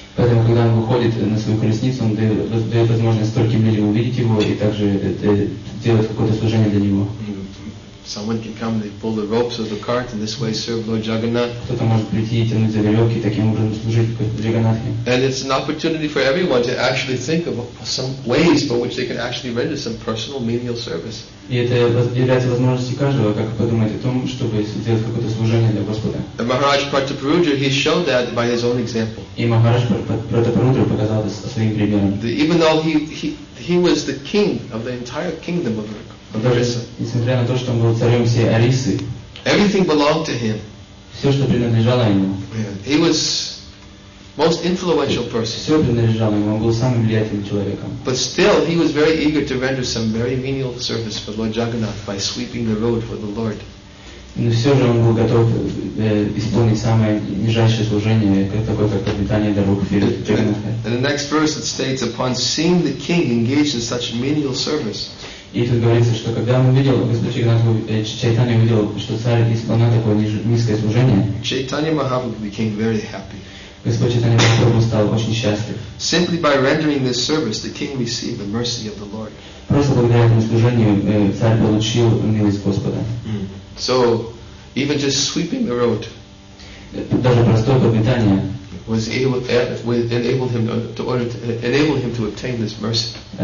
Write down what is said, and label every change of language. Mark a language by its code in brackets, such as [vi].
[ru] Поэтому, когда он выходит на свою колесницу, он дает возможность стольким людям увидеть его и также делать какое-то служение для него. [en] Someone can come, they pull the ropes of the cart, and this way serve Lord Jagannath. [ru] Кто-то может прийти и тянуть за веревки, таким образом служить Джаганнатхе. [en] And it's an opportunity for everyone to actually think of some ways by which they can actually render some personal menial service. [ru] И это является возможностью каждого, как подумать о том, чтобы сделать какое-то служение для Господа. [en] And Maharaj Pratapuruja, he showed that by his own example. [ru] И Махарадж Пратапуруджа показал это своим примером. [en] Even though he was the king of the entire kingdom of Arisa. [ru] Несмотря на то, что он был царем всей Арисы, [en] everything belonged to him. [ru] Все, что принадлежало ему. [en] He was most influential person. But still, he was very eager to render some very menial service for Lord Jagannath by sweeping the road for the Lord. [ru] Но все же он был готов исполнить самое нижайшее служение, такое как обитание дорог Джагнатха. [en] The next verse it states, upon seeing the king engaged in such menial service. [ru] И тут говорится, что когда он увидел, господин Джагнатху, Чайтанья увидел, что царь исполнял такое низкое служение. [en] Чайтанья Махапрабху became very happy. [ru] Господин Чайтанья Махапрабху стал очень счастлив. [en] Simply by rendering this service, the king received the mercy of the Lord. [ru] Просто благодаря этому служению царь получил милость Господа. [en] So, even just sweeping the road enabled him to obtain this mercy.